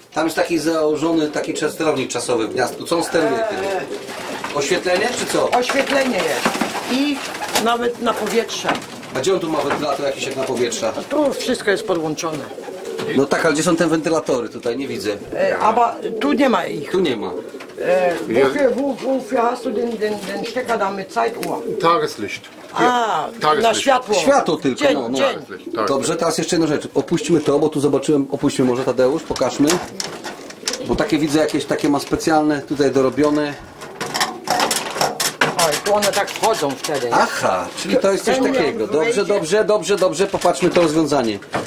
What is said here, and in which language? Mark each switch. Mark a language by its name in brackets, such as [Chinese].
[Polish] Tam jest taki założony, taki sterownik czasowy w gniazdku. Co on steruje tym? Oświetlenie czy co? Oświetlenie jest. I nawet na powietrze. A gdzie on tu ma wentylator jakiś jak na powietrze? Tu wszystko jest podłączone. No tak, ale gdzie są te wentylatory? Tutaj nie widzę. [German] Aber [Polish] tu nie ma ich. Tu nie ma. [German] Wofür hast du den Stecker da mit Zeituhr? Tageslicht. [Polish] Na światło. Światło tylko. Dzień, no. Dzień. Dobrze, teraz jeszcze jedna rzecz. Opuśćmy to, bo tu zobaczyłem, opuśćmy może Tadeusz, pokażmy. Bo takie widzę, jakieś takie ma specjalne, tutaj dorobione. O, i tu one tak wchodzą wtedy. Aha, czyli to jest coś takiego. Dobrze, dobrze, dobrze, dobrze, popatrzmy to rozwiązanie.